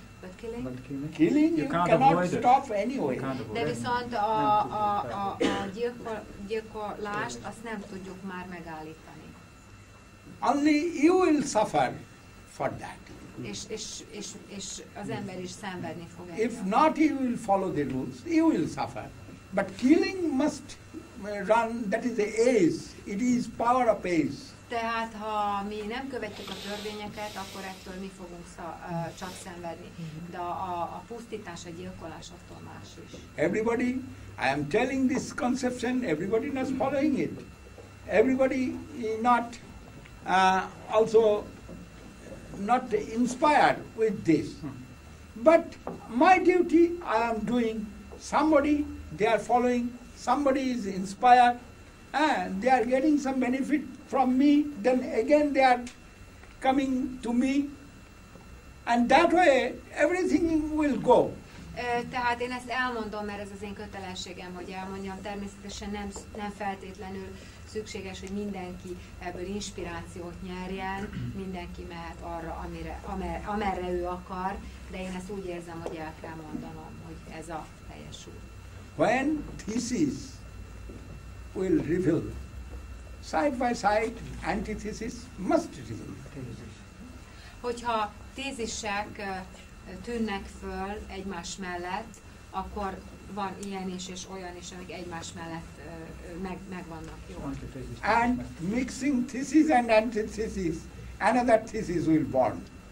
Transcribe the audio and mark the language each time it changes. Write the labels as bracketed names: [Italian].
[English] But killing you cannot stop anyway. [Hungarian] De viszont a gyilkolást, azt nem tudjuk már megállítani. [English] Only you will suffer for that. [Hungarian] És az ember is szenvedni fog ezzel. [English] If not you will follow the rules, you will suffer. But killing must run, that is the ace, it is power of ace. [Hungarian] Tehát ha mi nem követjük a törvényeket, akkor ettől mi fogunk csak szenvedni. De a pusztítás, a gyilkolás attól más is. [English] Everybody, I am telling this conception, everybody is following it. Everybody not also not inspired with this. But my duty I am doing, somebody they are following, somebody is inspired, and they are getting some benefit from me, then again they are coming to me, and that way everything will go. [Hungarian] Tehát én ezt elmondom, mert ez az én kötelességem, hogy elmondjam. Természetesen nem feltétlenül szükséges, hogy mindenki ebből inspirációt nyerjen, mindenki mehet arra, amerre ő akar, de én ezt úgy érzem, hogy el kell mondanom, hogy ez a teljes út. [English] When thesis will reveal, side by side, antithesis must reveal. [Hungarian] Hogyha tézisek tűnnek föl egymás mellett, akkor van ilyen is és olyan is, amik egymás mellett megvannak jól. [English] And mixing thesis and antithesis, another thesis will born.